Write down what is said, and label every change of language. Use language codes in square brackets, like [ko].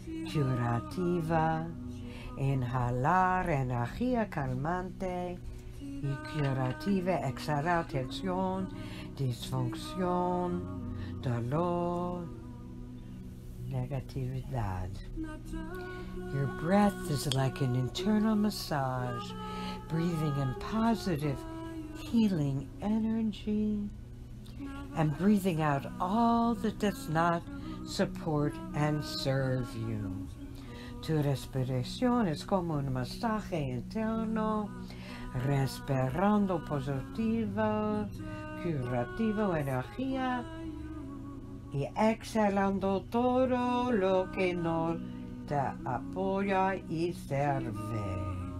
[es] curativa, inhalar energía calmante y curativa, exhalar tensión, disfunción, dolor, negatividad. [en] Your breath is like an internal massage, breathing in positive, healing energy, and breathing out all that does not support and serve you. [es] Tu respiración es como un masaje interno, respirando positivo, curativo, energía, y exhalando todo lo que no te apoya y sirve.